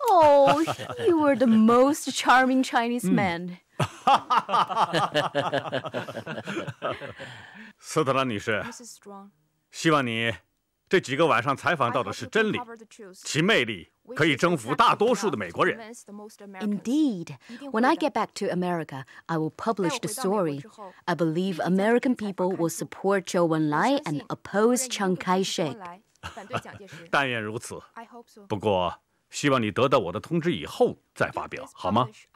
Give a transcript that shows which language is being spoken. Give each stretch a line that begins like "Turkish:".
English: Oh， you are the most charming Chinese man。
Chinese: 斯特兰女士，希望你这几个晚上采访到的是真理，其魅力可以征服大多数的美国人。
English: Indeed, when I get back to America, I will publish the story. I believe American people will support Zhou Enlai and oppose Chiang Kai-shek.
Chinese: 但愿如此。不过，希望你得到我的通知以后再发表，好吗